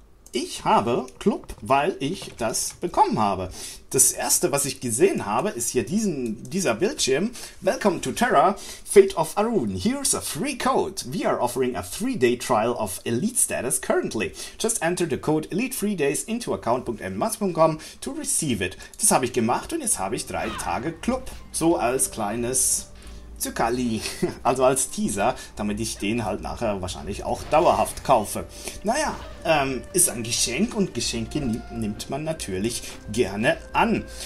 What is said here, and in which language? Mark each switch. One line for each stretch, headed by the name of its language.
German: Ich habe Club, weil ich das bekommen habe. Das erste, was ich gesehen habe, ist hier dieser Bildschirm.
English: Welcome to Terra, Fate of Arun. Here's a free code. We are offering a 3-day trial of Elite status currently. Just enter the code ELITE3DAYS into account.enmas.com to receive it.
German: Das habe ich gemacht und jetzt habe ich 3 Tage Club. So als kleines Zuckerli, also als Teaser, damit ich den halt nachher wahrscheinlich auch dauerhaft kaufe. Naja, ist ein Geschenk und Geschenke nimmt man natürlich gerne an.